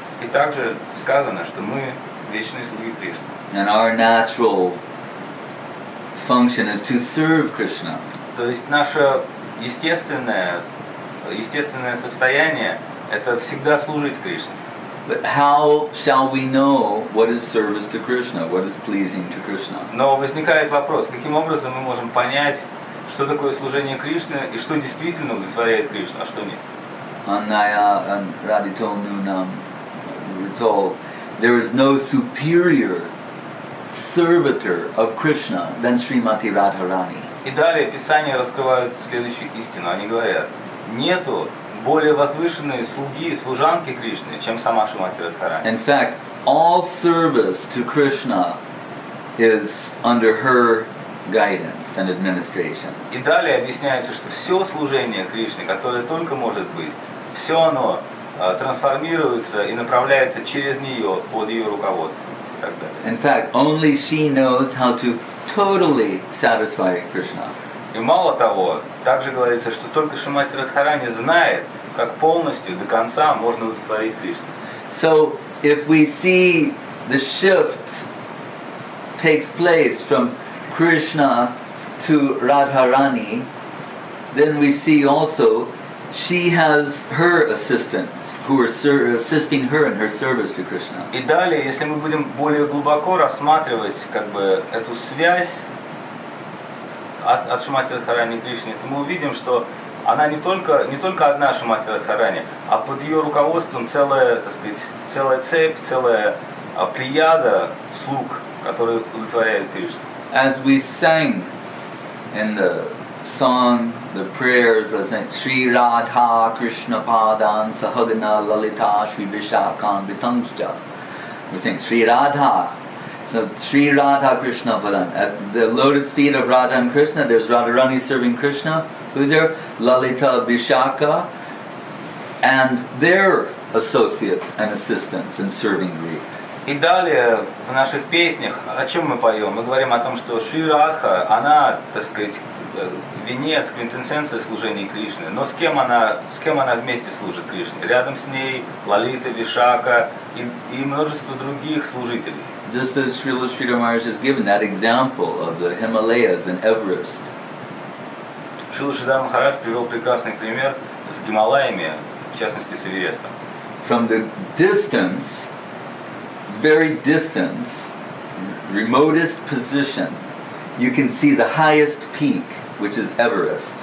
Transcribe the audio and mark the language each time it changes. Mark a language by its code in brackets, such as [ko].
[ru] И также сказано, что мы вечные слуги Кришны. [en] And our natural function is to serve Krishna. [ru] То есть наше естественное состояние — это всегда служить Кришне. [en] But how shall we know what is service to Krishna, what is pleasing to Krishna? [ru] Но возникает вопрос, каким образом мы можем понять, что такое служение Кришне и что действительно удовлетворяет Кришну, а что нет? [sa] Anaya and Radito Nunam, [en] we're told, there is no superior servitor of Krishna than Srimati Radharani. [ru] И далее Писания раскрывают следующую истину. Они говорят, нету более возвышенные слуги, служанки Кришны, чем сама Шримати Радхарани. [en] In fact, all service to Krishna is under her guidance and administration. [ru] И далее объясняется, что все служение Кришне, которое только может быть, все оно трансформируется и направляется через нее, под ее руководством, и так далее. [en] In fact, only she knows how to totally satisfy Krishna. [ru] И мало того, также говорится, что только Шримати Радхарани знает, как полностью, до конца можно удовлетворить Кришну. [en] So, if we see the shift takes place from Krishna to Radharani, then we see also she has her assistants who are assisting her in her service to Krishna. [ru] И далее, если мы будем более глубоко рассматривать как бы эту связь от Шримати Радхарани Кришне, то мы увидим, что она не только одна Шримати Радхарани, а под ее руководством целая, так сказать, целая цепь, целая плеяда слуг, которые удовлетворяют Кришну. [en] As we sang in the song, the prayers, I think, [sa] Sri Radha Krishna Padan Sahagana Lalita Sri Vishakhan Vitanshya. [en] We sing Sri Radha, So Sri Radha Krishna Padam. At the lotus feet of Radha and Krishna, there's Radharani serving Krishna, who's there, Lalita Vishakha, and their associates and assistants in serving grief. [ru] И далее в наших песнях, о чем мы поем? Мы говорим о том, что Шри Радха, она, так сказать, венец, квинтэссенция служения Кришны. Но с кем она вместе служит Кришне? Рядом с ней Лалита, Вишака и множество других служителей. [en] Just as Srila Sridhar Maharaj has given that example of the Himalayas and Everest. [ru] Srila Sridhar Maharaj привел прекрасный пример с Гималаями, в частности с Эверестом. [en] From the distance, very distance, remotest position, you can see the highest peak, which is Everest.